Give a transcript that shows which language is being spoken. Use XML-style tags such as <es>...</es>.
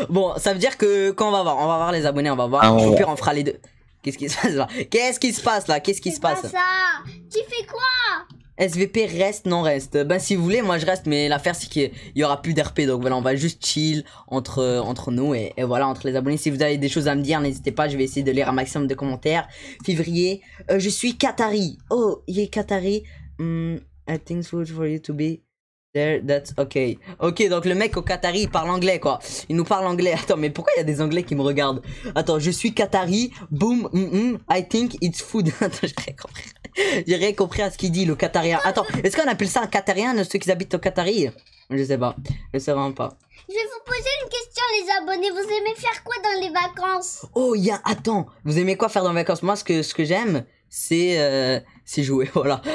<fr>Bon, ça veut dire que quand on va voir les abonnés, on va voir. Au pire, on fera les deux. Qu'est-ce qui se passe là? Qu'est-ce qui se passe là? Tu fais quoi? SVP reste, non reste. Ben si vous voulez, moi je reste, mais l'affaire c'est qu'il y aura plus d'RP, donc voilà, on va juste chill entre nous et voilà, entre les abonnés. Si vous avez des choses à me dire, n'hésitez pas, je vais essayer de lire un maximum de commentaires. Février, je suis Qatari. Oh, il est Qatari.</fr> <en>I think so for you to be there, that's okay.</en> <fr>Ok, donc le mec au Qatari, il parle anglais quoi. Il nous parle anglais. Attends, mais pourquoi il y a des anglais qui me regardent? Attends, je suis Qatari, boom,</fr> <en>I think it's food.</en> <fr>Attends, j'ai rien compris. J'ai rien compris à ce qu'il dit, le Qatarien. Attends, est-ce qu'on appelle ça un Qatarien, ceux qui habitent au Qatari? Je sais pas, je sais vraiment pas. Je vais vous poser une question, les abonnés. Vous aimez faire quoi dans les vacances? Oh, attends, vous aimez quoi faire dans les vacances? Moi, ce que j'aime, c'est jouer, voilà.</fr>